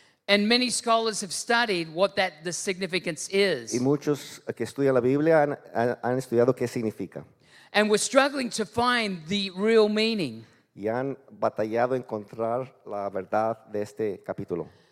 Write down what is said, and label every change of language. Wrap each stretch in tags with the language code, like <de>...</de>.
<en>And many scholars have studied what that the significance is.</en> <es>Y muchos que estudian la Biblia han estudiado qué significa.</es> <en>And we're struggling to find the real meaning.</en> <es>Y han batallado encontrar la verdad de este capítulo.</es>